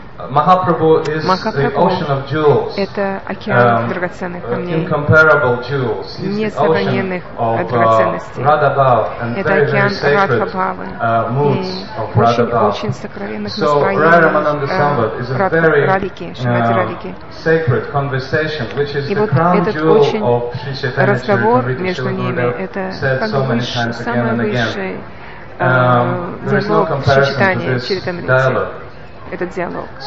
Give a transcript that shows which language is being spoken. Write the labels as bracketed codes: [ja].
[en] Махапрабху is the ocean of jewels. [ru] Это океан драгоценных камней. [en] Incomparable jewels. [ru] Несравненных драгоценностей. Это океан Радхабхавы. Очень сокровенных настроений. Радхики, Шримати Радхики. [en] Sacred conversation, which is the crown jewel of Sri Chaitanya. [ru] Разговор между ними — это самое высшее диалог в Шри Чайтанья Чаритамрите. Этот диалог.